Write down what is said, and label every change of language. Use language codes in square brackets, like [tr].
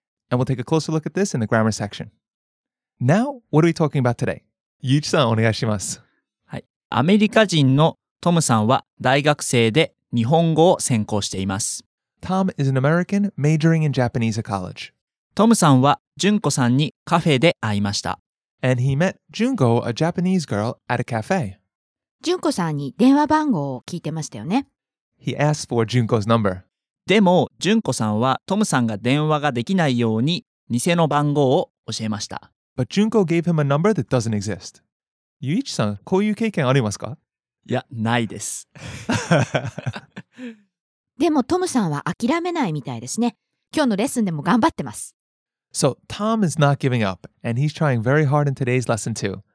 [en] And we'll take a closer look at this in the grammar section. Now, what are we talking about today? [ja] ゆうちさん、お願いします。はい。アメリカ人のトムさんは大学生で日本語を専攻しています。 [en] Tom is an American majoring in Japanese at college. [ja] トムさんは純子さんにカフェで会いました。 [en] And he met Junko, a Japanese girl, at a cafe. [ja] Junko さんに電話番号を聞いてましたよね。 [en] He asked for Junko's number. [ja] でも、Junko さんはトムさんが電話ができないように偽の番号を教えました。 [en] But Junko gave him a number that doesn't exist. [ja] Yuichi さん、こういう経験ありますか？いや、ないです。でも、トムさんは諦めないみたいですね。今日のレッスンでも頑張ってます。 [en] So, Tom is not giving up, and he's trying very hard in today's lesson, too.